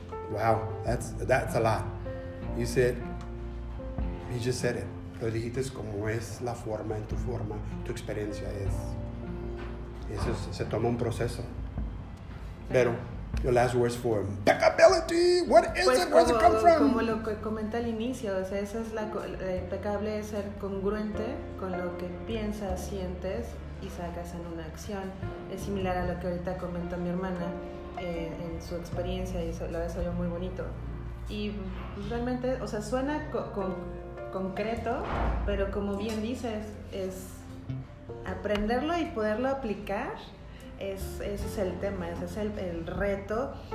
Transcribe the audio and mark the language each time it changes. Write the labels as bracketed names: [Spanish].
[English] Wow, that's a lot. You just said it. [Spanish] lo dijiste como es la forma, en tu forma, tu experiencia es. Eso es, se toma un proceso. Pero, [English] your last words for impeccability, what is [Spanish] pues [English] it, where does it come from? [Spanish] Como lo que comenté al inicio, o sea, esa es la impecable, es ser congruente con lo que piensas, sientes y sacas en una acción. Es similar a lo que ahorita comentó mi hermana en su experiencia, y eso lo ves algo muy bonito. Y realmente, o sea, suena concreto, pero como bien dices, es aprenderlo y poderlo aplicar, ese es el tema, ese es el reto.